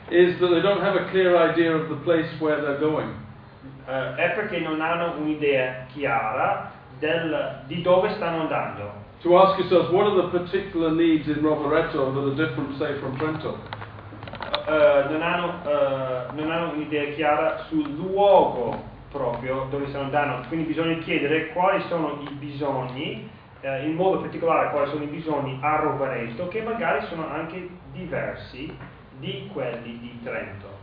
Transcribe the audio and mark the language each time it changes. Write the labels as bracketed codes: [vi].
[en] is that they don't have a clear idea of the place where they're going. [it] È perché non hanno un'idea chiara di dove stanno andando. [en] To ask yourself, what are the particular needs in Rovereto that are different, say, from Trento? [it] Non hanno un'idea chiara sul luogo proprio dove stanno andando, quindi bisogna chiedere quali sono i bisogni, in modo particolare quali sono i bisogni a Rovereto, che magari sono anche diversi di quelli di Trento.